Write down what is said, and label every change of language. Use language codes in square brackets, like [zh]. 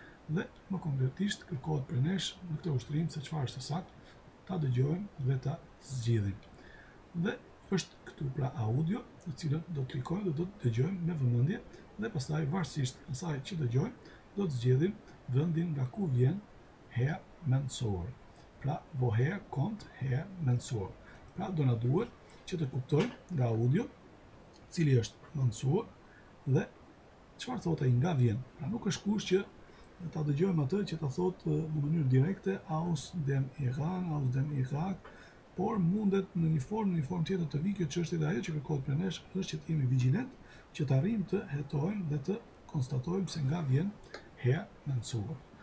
[sq] Dhe më konkretisht kërkohet për nesh në këtë ushtrim se çfarë është saktë, ta dëgjojmë dhe ta zgjidhim. Dhe është këtu pra audio, në cilën do të klikojmë dhe do të dëgjojmë me vëmendje dhe pastaj varësisht asaj që dëgjojmë, do të zgjidhim vendin nga ku vjen her mensor. [de] Pra woher kommt her mensor. [sq] Pra do na duhet që të kuptojmë nga audio cili është mensor dhe çfarë thotë ai nga vjen. Pra nuk është kusht që ta dëgjojmë atë që ta thotë në mënyrë direkte [de] aus dem Iran, aus dem Irak, [sq] por mundet në një formë, tjetër të vijë kjo çështje dhe ajo që kërkohet për nesh është që të jemi vigjilent, që të arrijmë të hetojmë dhe të konstatojmë se nga vjen her mensur.